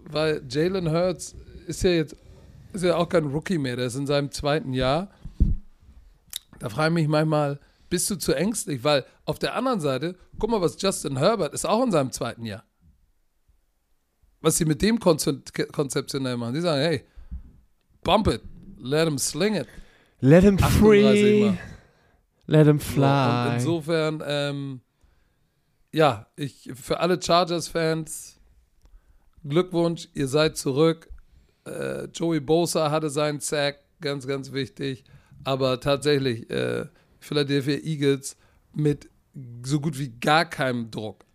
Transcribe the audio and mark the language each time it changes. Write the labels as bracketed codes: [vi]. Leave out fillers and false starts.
[de] Weil Jalen Hurts ist ja auch kein Rookie mehr, der ist in seinem zweiten Jahr. Da frage ich mich manchmal, bist du zu ängstlich, weil auf der anderen Seite, guck mal, was Justin Herbert ist auch in seinem zweiten Jahr. Was sie mit dem konzeptionell machen. Die sagen, [en] hey, bump it, let him sling it. Let him free, let him fly. Und [de] insofern, ja, ich für alle Chargers-Fans, Glückwunsch, ihr seid zurück. Joey Bosa hatte seinen Sack, ganz, ganz wichtig. Aber tatsächlich, Philadelphia Eagles mit so gut wie gar keinem Druck.